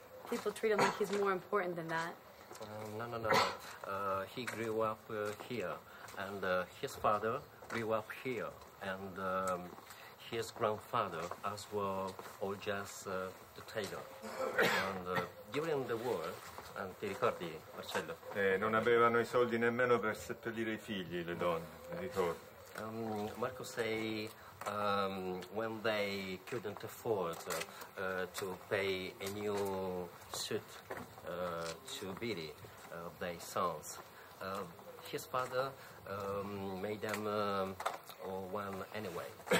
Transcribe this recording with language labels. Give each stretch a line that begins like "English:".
English: People treat him like he's more important than that. No. He grew up here, and his father grew up here, and his grandfather as well, all just the tailor. And during the war, and
Italian: ti ricordi,
English: Marcello?
Italian: Non avevano i soldi nemmeno per seppellire i figli, le donne, ricordo.
English: Marco say when they couldn't afford to pay a new suit to bury their sons, his father made them one anyway.